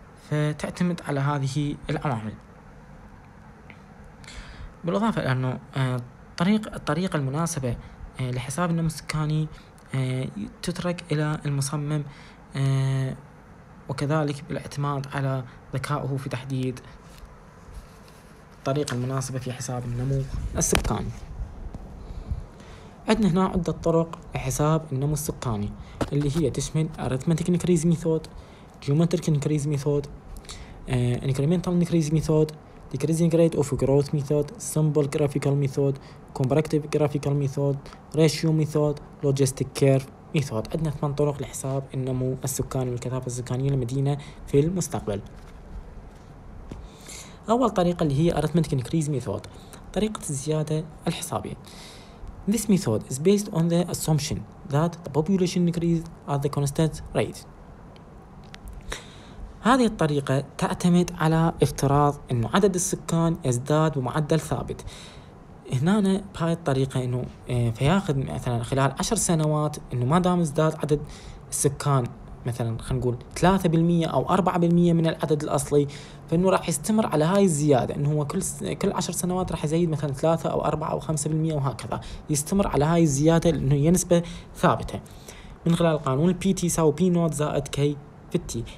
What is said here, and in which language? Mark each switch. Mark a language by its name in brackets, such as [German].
[Arabic] فتعتمد على هذه العوامل بالإضافة إلى أنه الطريقة المناسبة لحساب النمو السكاني تترك إلى المصمم وكذلك بالاعتماد على ذكائه في تحديد الطريقة المناسبة في حساب النمو السكاني. عندنا هنا عدة طرق لحساب النمو السكاني اللي هي تشمل [English] arithmetic increase method, geometric increase method, incremental increase method, decreasing rate of growth method, simple graphical method, comparative graphical method, ratio method, logistic curve method. [Arabic] عندنا 8 طرق لحساب النمو السكاني والكثافة السكانية للمدينة في المستقبل. أول طريقة اللي هي [English] arithmetic increase method، [Arabic] طريقة الزيادة الحسابية. [English] This method is based on the assumption that the population increase at the constant rate. [Arabic] هذه الطريقة تعتمد على افتراض أن عدد السكان يزداد بمعدل ثابت. هنا بهاي الطريقة أنه فياخذ مثلا خلال 10 سنوات أنه ما دام ازداد عدد السكان مثلا خلينا نقول 3% أو 4% من العدد الأصلي، فإنه راح يستمر على هاي الزيادة، إنه هو كل 10 سنوات راح يزيد مثلا 3 أو 4 أو 5% وهكذا، يستمر على هاي الزيادة لأنه هي نسبة ثابتة من خلال قانون البي تي يساوي بي نوت زائد كي في التي.